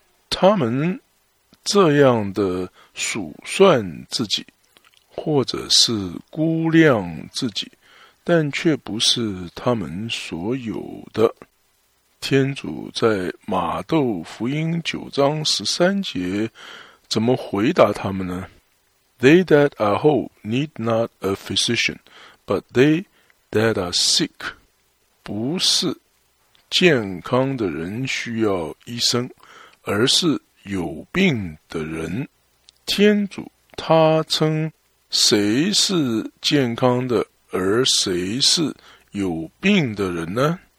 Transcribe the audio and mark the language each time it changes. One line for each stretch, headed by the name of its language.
Chinese: 他们这样的数算自己，或者是估量自己，但却不是他们所有的。天主在马窦福音九章十三节怎么回答他们呢？
English: They that are whole need not a physician, but they that are sick.
Chinese: 不是健康的人需要医生，而是有病的人。天主他称谁是健康的，而谁是有病的人呢？